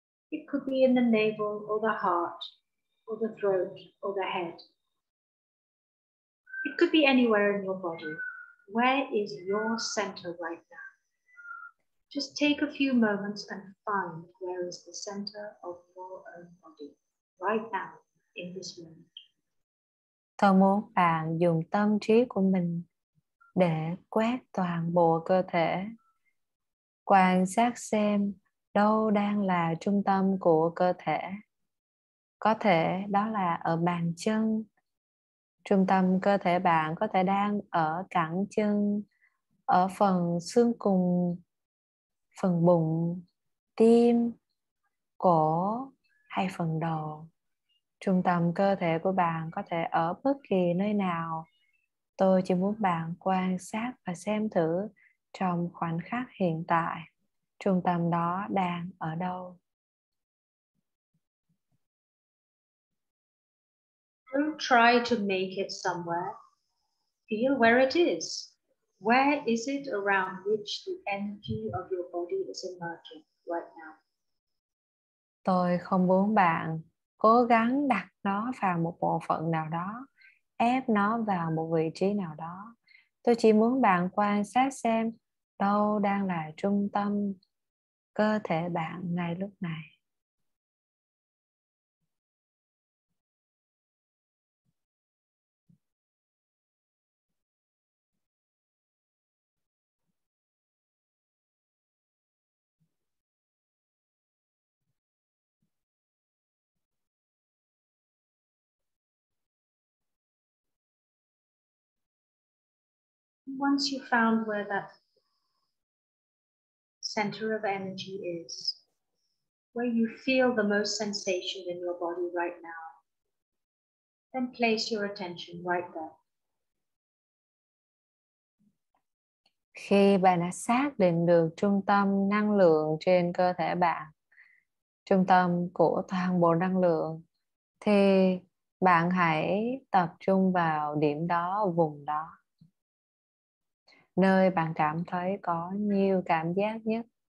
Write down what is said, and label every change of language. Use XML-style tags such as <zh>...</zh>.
<en>It could be in the navel or the heart. Or the throat, or the head. It could be anywhere in your body. Where is your center right now? Just take a few moments and find where is the center of your own body right now in this moment.</en> <vi>Tôi muốn bạn dùng tâm trí của mình để quét toàn bộ cơ thể, quan sát xem đâu đang là trung tâm của cơ thể. Có thể đó là ở bàn chân. Trung tâm cơ thể bạn có thể đang ở cẳng chân, ở phần xương cùng, phần bụng, tim, cổ hay phần đầu. Trung tâm cơ thể của bạn có thể ở bất kỳ nơi nào. Tôi chỉ muốn bạn quan sát và xem thử trong khoảnh khắc hiện tại, trung tâm đó đang ở đâu.</vi> <en>Don't try to make it somewhere. Feel where it is. Where is it around which the energy of your body is emerging right now?</en> <vi>Tôi không muốn bạn cố gắng đặt nó vào một bộ phận nào đó, ép nó vào một vị trí nào đó. Tôi chỉ muốn bạn quan sát xem đâu đang là trung tâm cơ thể bạn ngay lúc này.</vi> <en>Once you found where that center of energy is, where you feel the most sensation in your body right now, then place your attention right there.</en> <vi>Khi bạn đã xác định được trung tâm năng lượng trên cơ thể bạn, trung tâm của toàn bộ năng lượng, thì bạn hãy tập trung vào điểm đó, vùng đó, nơi bạn cảm thấy có nhiều cảm giác nhất.</vi>